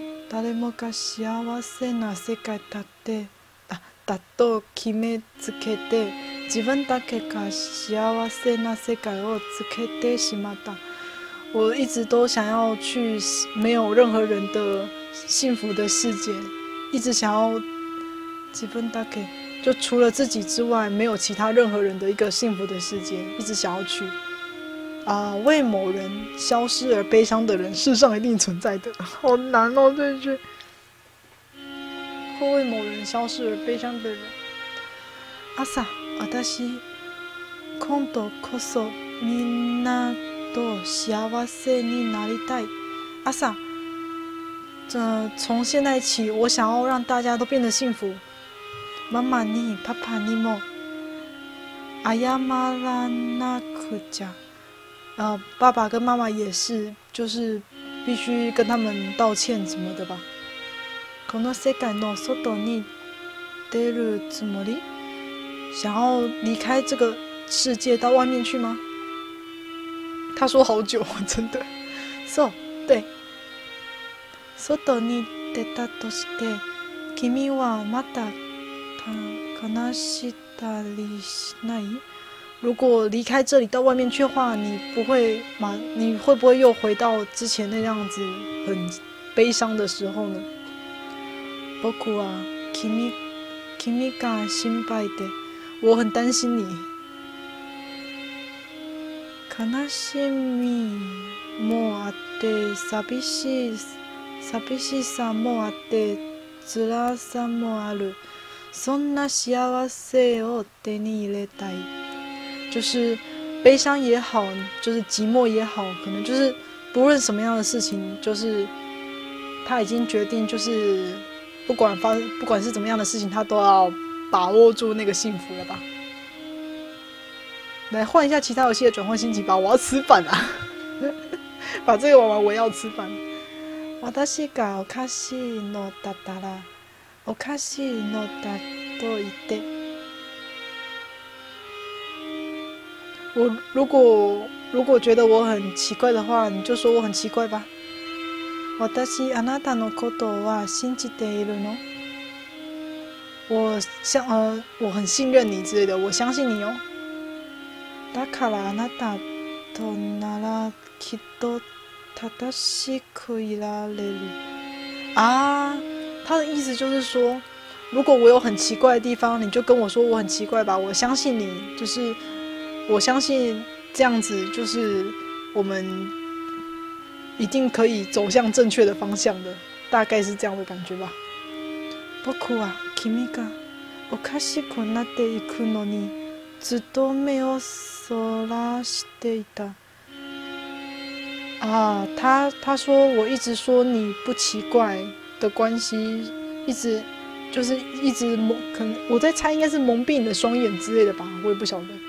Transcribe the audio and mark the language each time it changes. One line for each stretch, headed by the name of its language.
Japanese: 誰もが幸せな世界だって、だと決めつけて、自分だけが幸せな世界をつけてしまった。
Chinese: 我一直都想要去没有任何人的幸福的世界，一直想要
Japanese: 自分だけ，
Chinese: 就除了自己之外没有其他任何人的一个幸福的世界，一直想要去啊，为某人消失而悲伤的人，世上一定存在的。好难哦，这句。会为某人消失而悲伤的人。
Japanese: 朝、私、今度こそみんな。と幸せになりたい。
Chinese: 阿萨，这从现在起，我想要让大家都变得幸福。
Japanese: ママにパパにも謝らなくちゃ。
Chinese: 爸爸跟妈妈也是，就是必须跟他们道歉什么的吧。
Japanese: この世界の外に出るつもり？
Chinese: 想要离开这个世界到外面去吗？他说好久，真的。
Japanese: そう、
Chinese: 对。
Japanese: 外に出たとして、君はまた悲しかりしない？
Chinese: 如果离开这里到外面去的话，你会不会又回到之前那样子很悲伤的时候呢？
Japanese: 僕は君が心配で，
Chinese: 我很担心你。
Japanese: 悲しみもあって寂しさもあって辛さもある、そんな幸せを手に入れたい。
Chinese: 就是悲伤也好，就是寂寞也好，可能就是不论什么样的事情，就是他已经决定，就是不管发生，不管是怎么样的事情，他都要把握住那个幸福了吧。来换一下其他游戏的转换心情吧，我要吃饭啊！把这个玩完，我要吃饭。
Japanese: 私がおかしいのだったら、おかしいのだと言って。
Chinese: 我如果觉得我很奇怪的话，你就说我很奇怪吧。
Japanese: 私あなたのことは信じているの？
Chinese: 我很信任你之类的，我相信你哦。
Japanese: だからあなたとならきっと正しくいられる。
Chinese: 啊，他的意思就是说，如果我有很奇怪的地方，你就跟我说我很奇怪吧，我相信你，就是我相信这样子就是我们一定可以走向正确的方向的，大概是这样的感觉吧。
Japanese: 僕は君がおかしくなっていくのにずっと目をそらしていた。
Chinese: 啊，他说我一直说你不奇怪的关系，一直就是一直蒙，可能我在猜应该是蒙蔽你的双眼之类的吧，我也不晓得。